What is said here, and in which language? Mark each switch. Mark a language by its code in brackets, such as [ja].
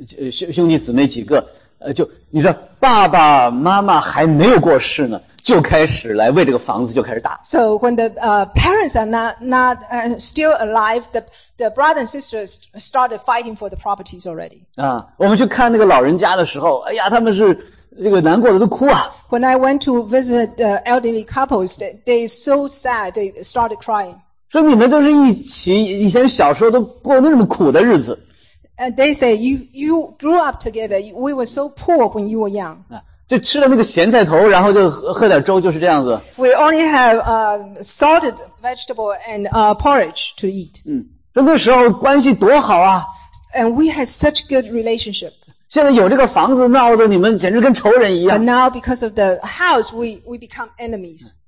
[zh] 兄弟姊妹几个，就你说爸爸妈妈还没有过世呢，就开始来为这个房子就开始打。 [en] So when the parents are not still alive, the brothers and sisters started fighting for the properties already. [zh] 我们去看那个老人家的时候，哎呀，他们是这个难过的都哭啊。 [en] When I went to visit the elderly couples, they so sad, they started crying. [zh] 说你们都是一起以前小时候都过那么苦的日子。 [en] And they say, you grew up together. We were so poor when you were young. [zh] 就吃了那个咸菜头，然后就喝点粥，就是这样子。 [en] We only have salted vegetable and porridge to eat. [zh] 那时候关系多好啊。 [en] And we had such good relationship. [zh] 现在有这个房子闹得你们简直跟仇人一样。 [en] But now because of the house, we become enemies.